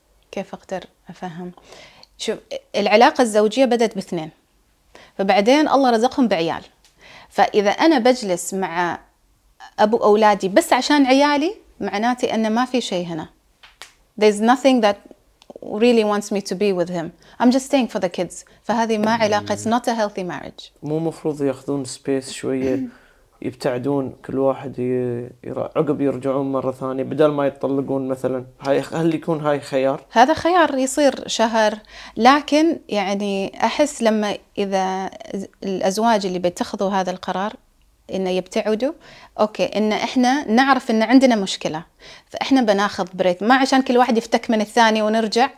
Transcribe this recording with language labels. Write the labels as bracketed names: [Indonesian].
[Arabic] كيف أقدر أفهم؟ شوف, العلاقة الزوجية بدأت باثنين, فبعدين الله رزقهم بعيال. فإذا أنا بجلس مع أبو أولادي بس عشان عيالي, معناتي أن ما في شيء هنا. [English] There's nothing that really wants me to be with him. I'm just staying for the kids. [Arabic] فهذه ما علاقة. [English] It's not a healthy marriage. [Arabic] مو مفروض يأخذون space شوية, يبتعدون كل واحد عقب يرجعون مرة ثانية بدل ما يتطلقون مثلا؟ هل يكون هاي خيار؟ هذا خيار يصير شهر, لكن يعني أحس لما إذا الأزواج اللي بيتخذوا هذا القرار إنه يبتعدوا, أوكي إن إحنا نعرف إن عندنا مشكلة, فإحنا بناخذ بريك, ما عشان كل واحد يفتك من الثاني ونرجع.